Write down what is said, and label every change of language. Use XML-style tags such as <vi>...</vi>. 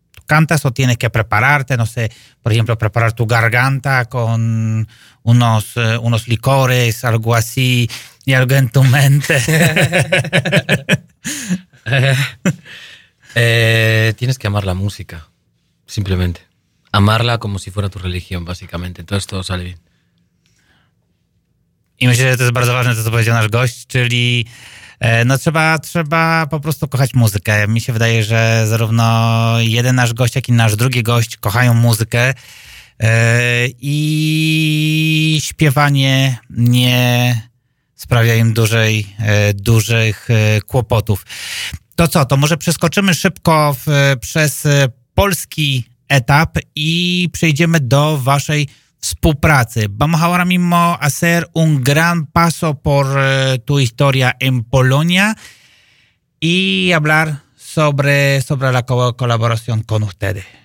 <es>¿Tú cantas o tienes que prepararte? No sé, por ejemplo, preparar tu garganta con unos licores, algo así, y algo en tu mente. tienes que amar la música, simplemente. Amarla como si fuera tu religión, básicamente. Entonces todo sale bien.</es> <pl>I myślę, że to jest bardzo ważne, to co powiedział nasz gość, czyli trzeba po prostu kochać muzykę. Mi się wydaje, że zarówno jeden nasz gość, jak i nasz drugi gość kochają muzykę i śpiewanie nie sprawia im dużych kłopotów. To co, to może przeskoczymy szybko przez polski etap i przejdziemy do waszej współpracy.</pl> <es>Vamos ahora mismo a hacer un gran paso por tu historia en Polonia y hablar sobre la colaboración con ustedes.</es>